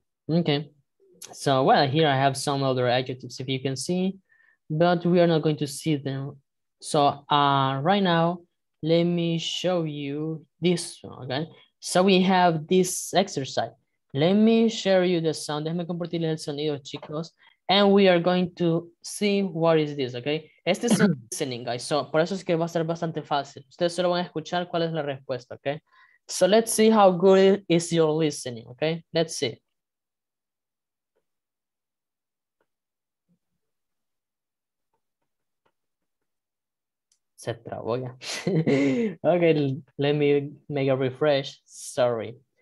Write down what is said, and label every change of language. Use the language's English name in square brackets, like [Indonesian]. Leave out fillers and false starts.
[English] Okay, so well, here I have some other adjectives, if you can see, but we are not going to see them. So right now, let me show you this one, okay? So we have this exercise. Let me share you the sound. [Spanish] Déjame compartirles el sonido, chicos. [English] And we are going to see what is this, okay? [Spanish] Este es un listening, guys. So, por eso es que va a ser bastante fácil. Ustedes solo van a escuchar cuál es la respuesta, okay? [English] So, let's see how good is your listening, okay? Let's see. [Spanish] Se trabó ya. [English] Okay, let me make a refresh. Sorry.